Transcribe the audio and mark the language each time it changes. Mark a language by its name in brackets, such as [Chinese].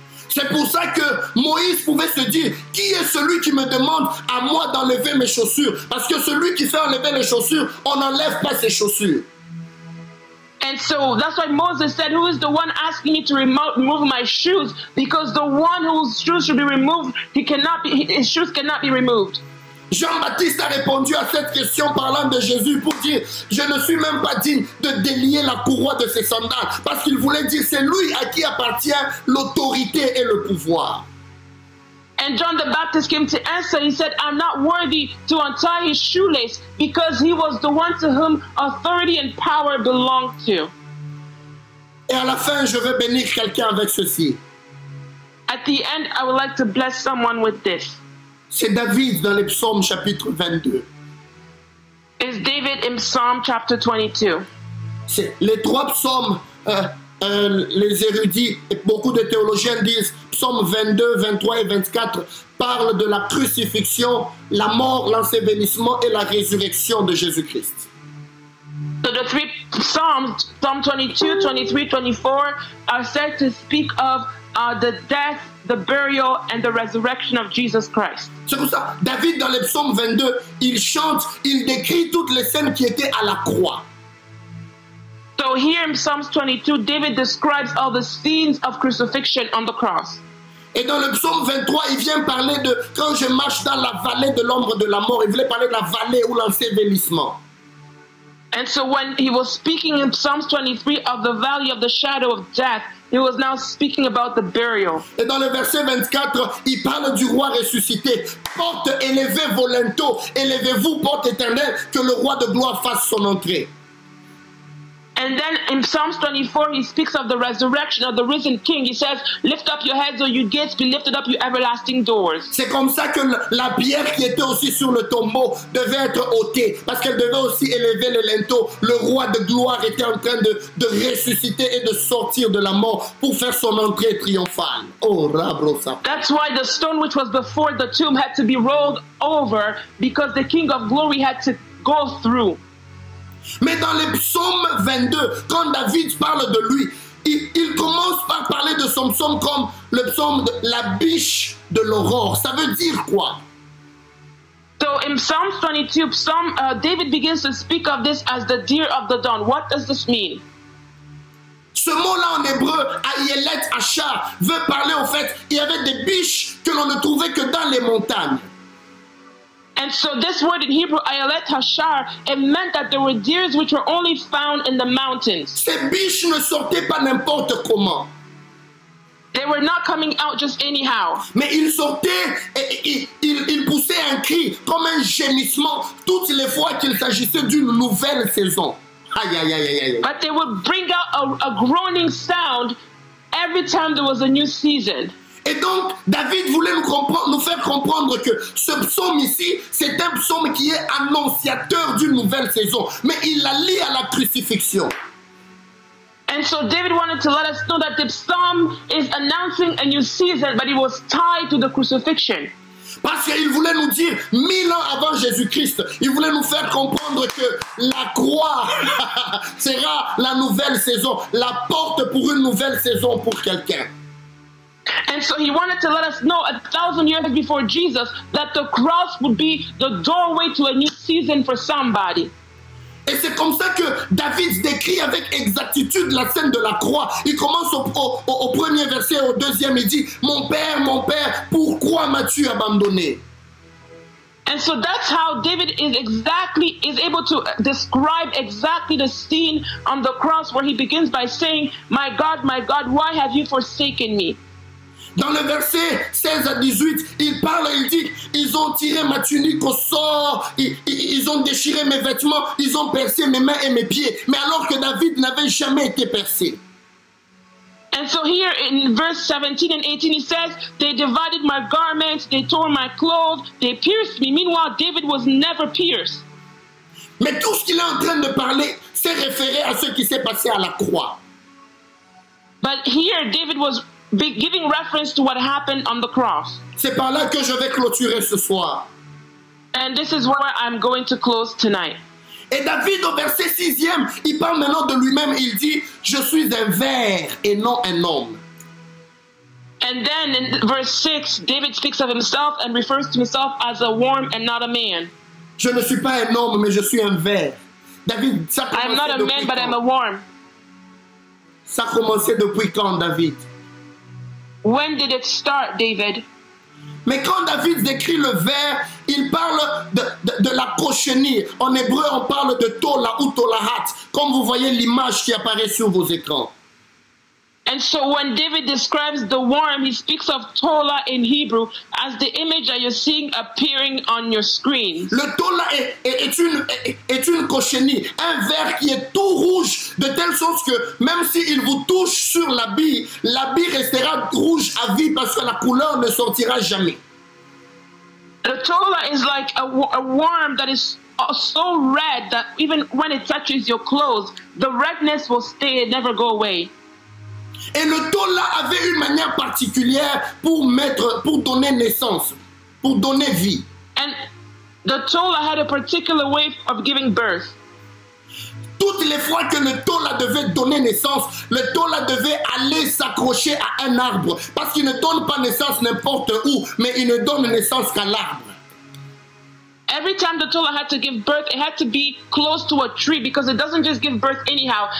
[French] C'est pour ça que Moïse pouvait se dire, qui est celui qui me demande à moi d'enlever mes chaussures? Parce que celui qui fait enlever les chaussures, on n'enlève pas ses chaussures. [English] And so that's why Moses said, who is the one asking me to remove my shoes? Because the one whose shoes should be removed, he cannot be, his shoes cannot be removed. [French] Jean-Baptiste a répondu à cette question parlant de Jésus pour dire, je ne suis même pas digne de délier la courroie de ses sandales, parce qu'il voulait dire, c'est lui à qui appartient l'autorité et le pouvoir. [English] And John the Baptist came to answer, he said, I'm not worthy to untie his shoelace, because he was the one to whom authority and power belonged to. [French] Et à la fin, je veux bénir quelqu'un avec ceci. [English] At the end, I would like to bless someone with this. [French] C'est David dans les psaumes chapitre 22. [English] It's David in Psalm chapter 22. [French] C'est les trois psaumes, les érudits et beaucoup de théologiens disent psaumes 22, 23 et 24 parlent de la crucifixion, la mort, l'ensevelissement et la résurrection de Jésus-Christ. [English] So the three psalms, Psalm 22, 23, 24, are said to speak of the death, the burial and the resurrection of Jesus Christ. [French] C'est pour ça, David dans les psaumes 22, il chante, il décrit toutes les scènes qui étaient à la croix. [English] So here in Psalms 22, David describes all the scenes of crucifixion on the cross. [French] Et dans le psaume 23, il vient parler de quand je marche dans la vallée de l'ombre de la mort, il voulait parler de la vallée ou l'ensevelissement. [English] And so when he was speaking in Psalms 23 of the valley of the shadow of death, he was now speaking about the burial. [French] Et dans le verset 24, il parle du roi ressuscité. Porte, élevez vos linteaux, élevez-vous, porte éternelle, que le roi de gloire fasse son entrée. [English] And then in Psalms 24, he speaks of the resurrection of the risen King. He says, "Lift up your heads, O you gates, be lifted up, you everlasting doors." [French] C'est comme ça que la pierre qui était aussi sur le tombeau devait être ôtée, parce qu'elle devait aussi élever le linteau. Le roi de gloire était en train de ressusciter et de sortir de la mort pour faire son entrée triomphale. Oh, bravo ça. [English] That's why the stone which was before the tomb had to be rolled over, because the King of Glory had to go through. [French] Mais dans le psaume 22, quand David parle de lui, il commence par parler de son psaume comme le psaume de la biche de l'aurore. Ça veut dire quoi? [English] So in Psalms 22, David begins to speak of this as the deer of the dawn. What does this mean? [French] Ce mot-là en hébreu, Ayelet Ashar, veut parler au fait qu'il y avait des biches que l'on ne trouvait que dans les montagnes. [English] And so this word in Hebrew, Ayelet Hashar, it meant that there were deers which were only found in the mountains. [French] Ces biches ne sortaient pas n'importe comment. [English] They were not coming out just anyhow. [French] Mais ils sortaient et ils poussaient un cri comme un gémissement toutes les fois qu'il s'agissait d'une nouvelle saison. Aïe, aïe, aïe, aïe, aïe. [English] But they would bring out a groaning sound every time there was a new season. [French] Et donc, David voulait nous faire comprendre que ce psaume ici, c'est un psaume qui est annonciateur d'une nouvelle saison. Mais il la lie à la crucifixion. [English] And so David wanted to let us know that the psalm is announcing a new season, but it was tied to the crucifixion. [French] Parce qu'il voulait nous dire, 1000 ans avant Jésus-Christ, il voulait nous faire comprendre que la croix sera la nouvelle saison, la porte pour une nouvelle saison pour quelqu'un. [English] And so he wanted to let us know 1,000 years before Jesus that the cross would be the doorway to a new season for somebody. [French] Et c'est comme ça que David décrit avec exactitude la scène de la croix. Il commence au premier verset, au deuxième, il dit, mon père, pourquoi m'as-tu abandonné? [English] And so that's how David is able to describe exactly the scene on the cross where he begins by saying, my God, why have you forsaken me? [French] Dans le verset 16 à 18, il parle, il dit, ils ont tiré ma tunique au sort, ils ont déchiré mes vêtements, ils ont percé mes mains et mes pieds. Mais alors que David n'avait jamais été percé. [English] And so here in verse 17 and 18, he says, they divided my garments, they tore my clothes, they pierced me. Meanwhile, David was never pierced. [French] Mais tout ce qu'il est en train de parler, c'est référé à ce qui s'est passé à la croix. [English] But here, David was giving reference to what happened on the cross. [French] C'est par là que je vais clôturer ce soir. [English] And this is where I'm going to close tonight. [French] Et David, au verset 6e, il parle maintenant de lui-même. Il dit, je suis un ver et non un homme. [English] And then in verse 6, David speaks of himself and refers to himself as a worm and not a man. [French] Je ne suis pas un homme, mais je suis un ver. David, ça commençait depuis quand? [English] I'm not a man, but I'm a worm. [French] Ça commençait depuis quand, David? [English] When did it start, David? [French] Mais quand David décrit le ver, il parle de la cochenille. En hébreu, on parle de tola ou tolahat, comme vous voyez l'image qui apparaît sur vos écrans. [English] And so when David describes the worm, he speaks of tola in Hebrew as the image that you're seeing appearing on your screen. [French] Le tola est une cochenille, un ver qui est tout rouge, de telle sorte que même s'il vous touche sur la bille restera rouge à vie parce que la couleur ne sortira jamais. [English] The tola is like a worm that is so red that even when it touches your clothes, the redness will stay and never go away. [French] Et le tola avait une manière particulière pour donner naissance, pour donner vie. [English] And the tola had a particular way of giving birth. [French] Toutes les fois que le tola devait donner naissance, le tola devait aller s'accrocher à un arbre. Parce qu'il ne donne pas naissance n'importe où, mais il ne donne naissance qu'à l'arbre. [English] Every time the tola had to give birth, it had to be close to a tree, because it doesn't just give birth anyhow.